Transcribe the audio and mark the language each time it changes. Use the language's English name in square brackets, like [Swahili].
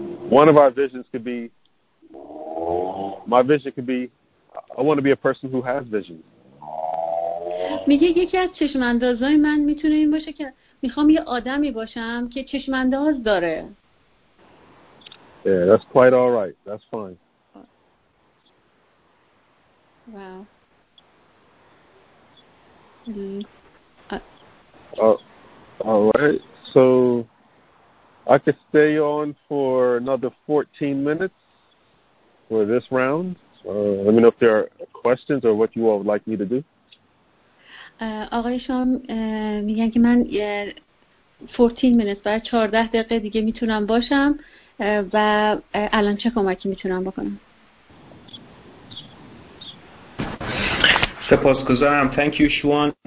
[English] One of our visions could be, my vision could be, I want to be a person who has visions. [Persian] میگه یکی از چشماندازای من میتونه این باشه که میخوام یه آدمی باشم که چشمانداز داره. [English] Yeah, that's quite all right. That's fine. Wow. All right. So I could stay on for another 14 minutes for this round. Let me know if there are questions or what you all would like me to do. [Persian] آقای شام میگن که من [English] 14 minutes [Persian] برای 14 دقیقه دیگه میتونم باشم و الان چه کمکی میتونم بکنم؟ سپاسگزارم. [English] Thank you, Shuan.